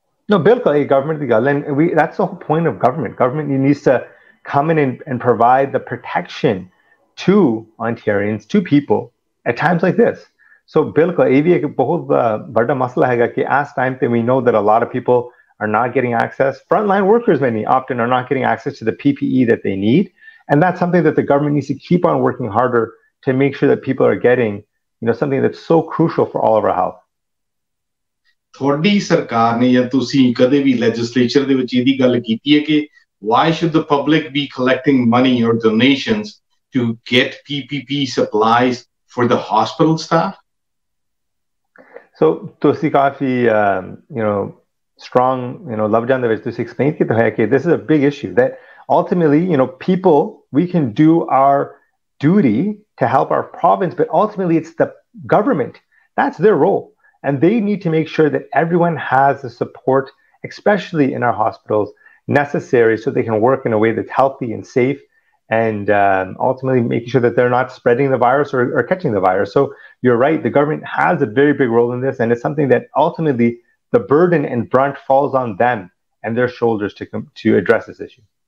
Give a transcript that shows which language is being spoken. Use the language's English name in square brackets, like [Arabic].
[English] no [Punjabi] ਬਿਲਕੁਲ ਇਹ ਗਵਰਨਮੈਂਟ ਦੀ ਗੱਲ [English] and we that's a whole point of government government you needs to come in and provide the protection to Ontarians to people at times like this so [Punjabi] ਬਿਲਕੁਲ ਇਹ ਵੀ ਇੱਕ ਬਹੁਤ ਵੱਡਾ ਮਸਲਾ ਹੈਗਾ ਕਿ ਆਸ ਟਾਈਮ ਤੇ [English] We know that a lot of people are not getting access. Frontline workers many often are not getting access to the PPE that they need. And that's something that the government needs to keep on working harder to make sure that people are getting, you know, something that's so crucial for all of our health. [Punjabi] ਤੁਹਾਡੀ ਸਰਕਾਰ ਨੇ ਜਾਂ ਤੁਸੀਂ ਕਦੇ ਵੀ legislature ਦੇ ਵਿੱਚ ਇਹਦੀ ਗੱਲ ਕੀਤੀ ਹੈ ਕਿ [English] Why should the public be collecting money or donations to get PPP supplies for the hospital staff? [Punjabi] ਸੋ ਤੁਸੀਂ ਕਾਫੀ [English] you know strong you know ਲਵਜਾਨ [Punjabi] ਦੇ ਵਿੱਚ ਤੁਸੀਂ ਐਕਸਪਲੇਨ ਕੀਤਾ ਹੈ ਕਿ [English] This is a big issue that ultimately you know people we can do our duty to help our province but ultimately it's the government that's their role. And they need to make sure that everyone has the support, especially in our hospitals, necessary so they can work in a way that's healthy and safe, and ultimately making sure that they're not spreading the virus or catching the virus. So you're right, the government has a very big role in this, and it's something that ultimately the burden and brunt falls on them and their shoulders to address this issue.